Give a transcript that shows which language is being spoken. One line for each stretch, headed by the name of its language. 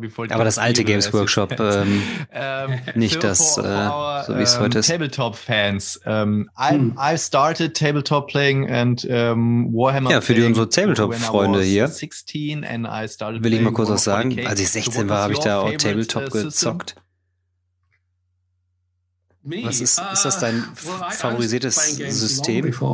German: Aber das alte Games Workshop, nicht das, so wie es heute ist.
English: Tabletop-Fans, I started Tabletop playing and Warhammer.
German: Ja, für die unsere Tabletop-Freunde hier. Will ich mal kurz was sagen? Als ich 16 war, habe ich da auch Tabletop gezockt. Was ist, ist das dein favorisiertes System?